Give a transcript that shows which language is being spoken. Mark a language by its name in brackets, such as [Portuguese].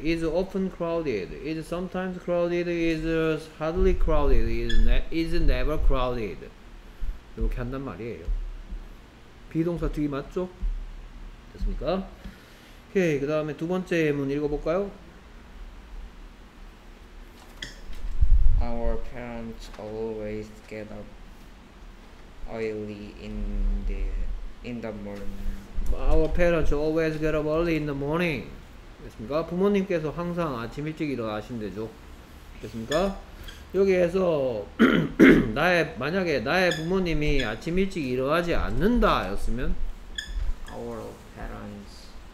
[English] is often crowded. is sometimes crowded. is hardly crowded. is never crowded. [Korean] 이렇게 한단 말이에요. 비동사 뒤 맞죠? 됐습니까? 오케이. 그 다음에 두 번째 문 읽어볼까요? [English] don't always get up early in the morning. Our parents always get up early in the morning. [Korean] 됐습니까? 부모님께서 항상 아침 일찍 일어나신대죠. 됐습니까? 여기에서 만약에 나의 부모님이 아침 일찍 일어나지 않는다 였으면 [English] Our parents